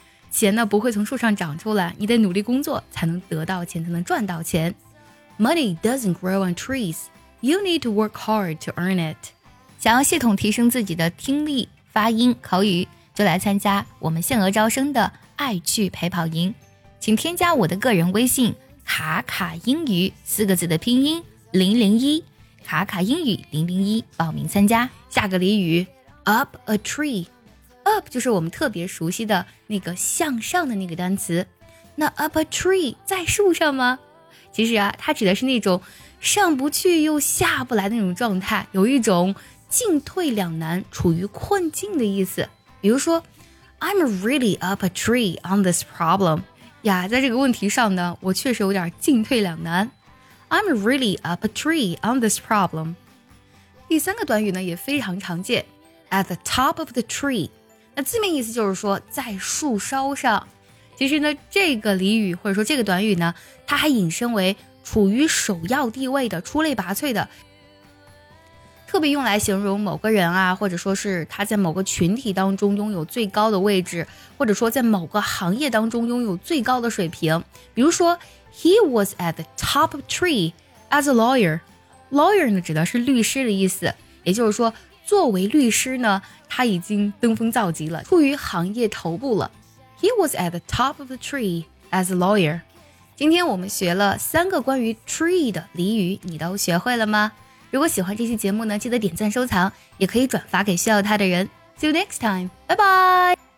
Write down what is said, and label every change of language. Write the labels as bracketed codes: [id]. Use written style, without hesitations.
[zh] 钱呢不会从树上长出来，你得努力工作才能得到钱，才能赚到钱。 [en] Money doesn't grow on trees. You need to work hard to earn it. [zh] 想要系统提升自己的听力、发音、口语，就来参加我们限额招生的爱趣陪跑营。请添加我的个人微信卡卡英语四个字的拼音001，卡卡英语001，报名参加。下个俚语 [en] up a tree， [zh] up 就是我们特别熟悉的那个向上的那个单词。那 [en] up a tree [zh] 在树上吗？其实啊，它指的是那种上不去又下不来的那种状态，有一种进退两难、处于困境的意思。比如说 [en] I'm really up a tree on this problem [zh] 呀，在这个问题上呢，我确实有点进退两难。 [en] I'm really up a tree on this problem. [zh] 第三个短语呢也非常常见， [en] at the top of the tree. [zh] 那字面意思就是说在树梢上。其实呢，这个俚语或者说这个短语呢，它还引申为处于首要地位的、出类拔萃的，特别用来形容某个人啊，或者说是他在某个群体当中拥有最高的位置，或者说在某个行业当中拥有最高的水平。比如说 [en] He was at the top of tree as a lawyer. [zh] Lawyer 呢指的是律师的意思，也就是说作为律师呢，他已经登峰造极了，处于行业头部了。 [en] He was at the top of the tree as a lawyer. [zh] 今天我们学了三个关于 tree 的俚语，你都学会了吗？如果喜欢这期节目呢，记得点赞收藏，也可以转发给需要他的人。 [en] See you next time. Bye bye.